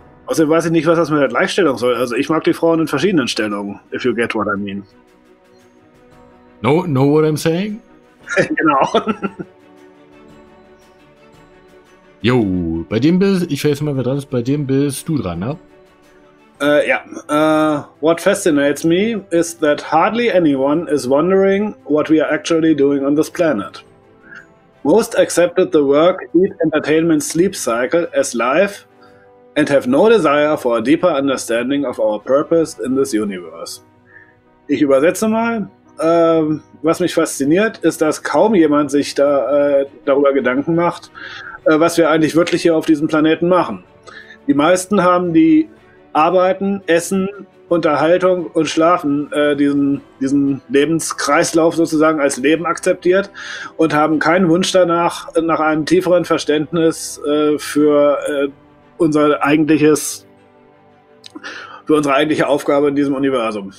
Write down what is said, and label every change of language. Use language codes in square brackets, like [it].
[de] Außerdem weiß ich nicht, was das mit der Gleichstellung soll. Also ich mag die Frauen in verschiedenen Stellungen, [en] if you get what I mean. No, know what I'm saying? [de] Genau. Jo, bei dem bist du, ich weiß mal, wer dran ist, bei dem bist du dran, ne? Ja. [en] What fascinates me is that hardly anyone is wondering what we are actually doing on this planet. Most accepted the work, eat, entertainment, sleep cycle as life and have no desire for a deeper understanding of our purpose in this universe. [de] Ich übersetze mal. Was mich fasziniert, ist, dass kaum jemand sich da darüber Gedanken macht, was wir eigentlich wirklich hier auf diesem Planeten machen. Die meisten haben die Arbeiten, Essen, Unterhaltung und Schlafen, diesen Lebenskreislauf sozusagen als Leben akzeptiert und haben keinen Wunsch danach, nach einem tieferen Verständnis für unsere eigentliche Aufgabe in diesem Universum.